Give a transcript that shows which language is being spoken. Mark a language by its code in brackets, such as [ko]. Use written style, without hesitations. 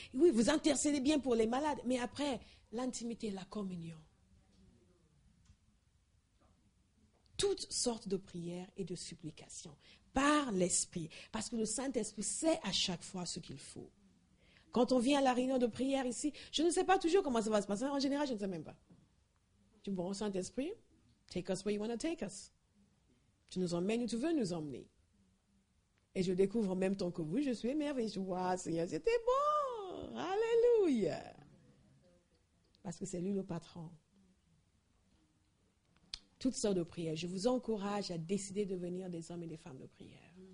[fr] Oui, vous intercédez bien pour les malades, mais après, l'intimité, la communion. Toutes sortes de prières et de supplications par l'Esprit, parce que le Saint-Esprit sait à chaque fois ce qu'il faut. Quand on vient à la réunion de prière ici, je ne sais pas toujours comment ça va se passer. En général, je ne sais même pas. Du bon Saint-Esprit, [en] take us where you want to take us. [fr] Tu nous emmènes où tu veux nous emmener. Et je découvre en même temps que vous, je suis émerveillée. Waouh, Seigneur, c'était bon. Alléluia. Parce que c'est lui le patron. Toutes sortes de prières. Je vous encourage à décider de devenir des hommes et des femmes de prière.